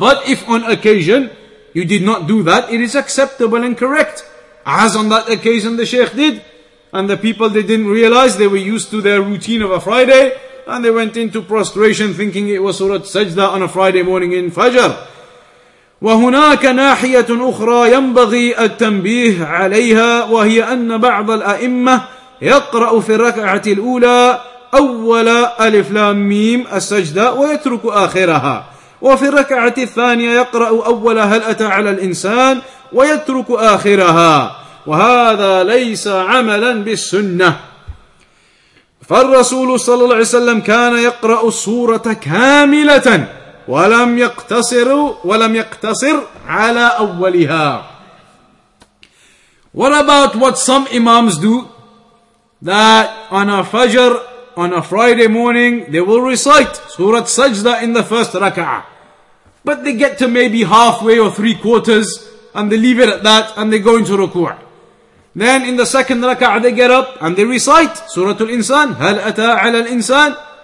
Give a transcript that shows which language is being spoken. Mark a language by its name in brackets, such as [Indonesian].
[English] But if on occasion you did not do that, it is acceptable and correct, as on that occasion the Shaykh did. And the people, they didn't realize, they were used to their routine of a Friday, and they went into prostration thinking it was Surah Sajda on a Friday morning in Fajr. [Arabic] وهناك ناحية أخرى ينبغي التنبيه عليها, وهي أن بعض الأئمة يقرأ في الركعة الأولى أول ألف لام ميم السجدة ويترك آخرها, وفي الركعة الثانية يقرأ أول هل أتى على الإنسان ويترك آخرها, وهذا ليس عملا بالسنة. فالرسول صلى الله عليه وسلم كان يقرأ السورة كاملة ولم يقتصر على أولها. [English] What about what some imams do? That on a Fajr, on a Friday morning, they will recite Surah Sajda in the first rak'ah, but they get to maybe halfway or three quarters and they leave it at that and they go into ruku'. Then in the second rak'ah they get up and they recite Surah Al-Insan, [Arabic] هل أتى على الإنسان.